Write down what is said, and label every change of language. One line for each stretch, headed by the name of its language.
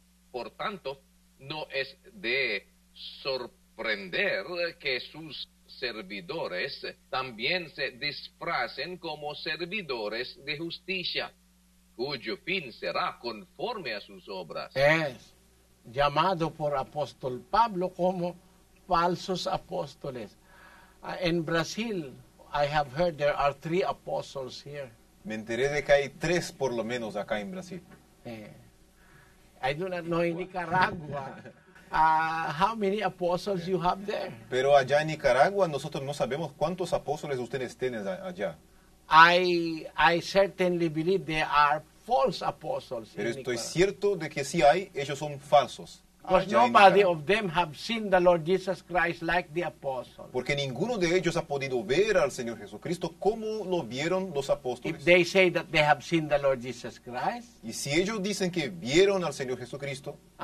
Spanish: Por tanto, no es de sorprender que sus servidores también se disfracen como servidores de justicia, cuyo fin será conforme a sus obras. Es llamado por apóstol Pablo como falsos apóstoles.
English: En Brasil, I have heard there are 3 apostles here.
Spanish: Me enteré de que hay 3 por lo menos acá en Brasil.
English: I do not know in Nicaragua. How many apostles you have there?
Spanish: Pero allá en Nicaragua nosotros no sabemos cuántos apóstoles ustedes tienen allá.
English: I certainly believe there are false apostles.
Spanish: Pero estoy cierto de que sí hay, ellos son falsos.
English: Because nobody of them have seen the Lord Jesus Christ like the apostles.
Spanish: Porque ninguno de ellos ha podido ver al Señor Jesucristo como lo vieron los apóstoles.
English: If they say that they have seen the Lord Jesus Christ,
Spanish: y si ellos dicen que vieron al Señor Jesucristo,